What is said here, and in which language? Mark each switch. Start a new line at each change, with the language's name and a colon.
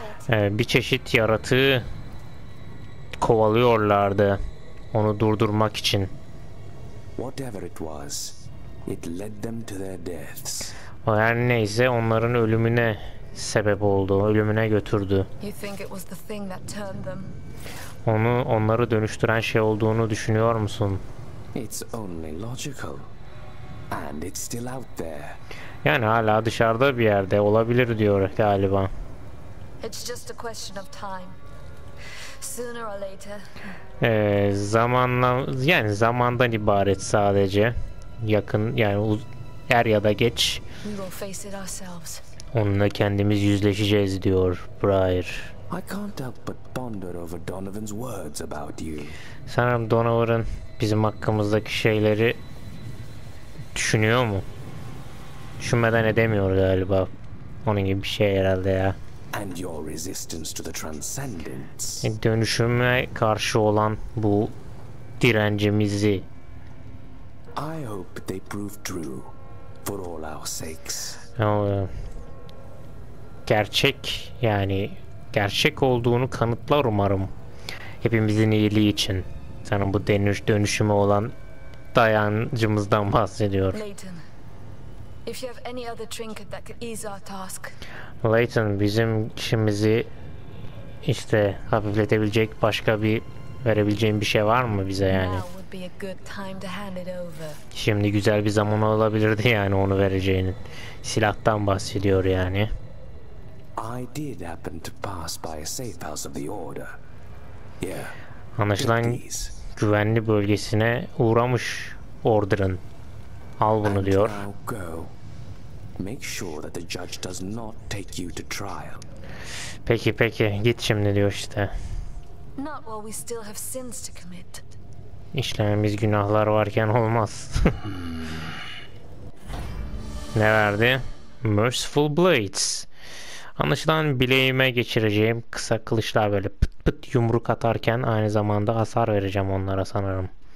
Turkish: Bir çeşit yaratığı kovalıyorlardı, onu durdurmak için.
English: Whatever it was, it led them to their deaths.
Turkish: Yani neyse, onların ölümüne sebep oldu, ölümüne götürdü.
English: You think it was the thing that turned them?
Turkish: Onları dönüştüren şey olduğunu düşünüyor musun?
English: It's only logical. And it's still out there.
Turkish: Yani hala dışarıda bir yerde olabilir diyor galiba.
English: It's just a question of time. Sooner or later.
Turkish: Yani zamandan ibaret sadece. Yakın, yani er ya da geç
English: We will face it ourselves.
Turkish: onunla kendimiz yüzleşeceğiz diyor Briar.
English: I can't help but ponder over Donovan's words about you.
Turkish: Sanırım Donovan bizim hakkımızdaki şeyleri düşünüyor mu? Düşünmeden edemiyor galiba. Onun gibi bir şey herhalde ya.
English: And your resistance to the
Turkish: Dönüşüme karşı olan bu direncimizi.
English: transcendence. I hope they prove true for all our sakes.
Turkish: Gerçek, yani gerçek olduğunu kanıtlar umarım. Hepimizin iyiliği için. Sanırım bu dönüşüme olan dayancımızdan bahsediyor.
English: Layton, if you have any other trinket that could ease our task.
Turkish: Layton, bizim işimizi işte hafifletebilecek başka bir verebileceğim bir şey var mı bize yani?
English: Now would be a good time to hand it over.
Turkish: Şimdi güzel bir zaman olabilirdi yani onu vereceğinin. Silahtan bahsediyor yani.
English: I did happen to pass by a safe house of the order. Yeah,
Turkish: Anlaşılan
English: these.
Turkish: güvenli bölgesine uğramış Order'ın. Al bunu
English: And
Turkish: diyor.
English: now go. Make sure that the judge does not take you to trial.
Turkish: Peki, git şimdi diyor işte.
English: Not while we still have sins to commit.
Turkish: İşlememiz günahlar varken olmaz. Ne verdi? Merciful Blades. Anlaşılan bileğime geçireceğim kısa kılıçlar, böyle pıt pıt yumruk atarken aynı zamanda hasar vereceğim onlara sanırım.